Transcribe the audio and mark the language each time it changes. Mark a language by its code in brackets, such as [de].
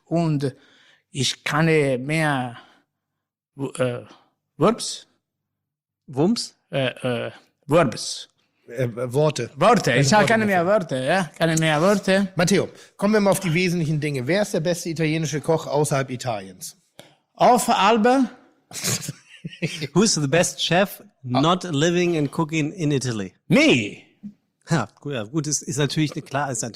[de] Und ich kann mehr Wurps. Wumps? Wurps. Worte. Worte. Ich habe keine mehr Worte. Ja? Keine mehr Worte. Matteo, kommen wir mal auf die wesentlichen Dinge. Wer ist der beste italienische Koch außerhalb Italiens? Auf Alba. [en] Who's the best chef not living and cooking in Italy? Me. [de] Ja, gut, ist natürlich eine klare Antwort.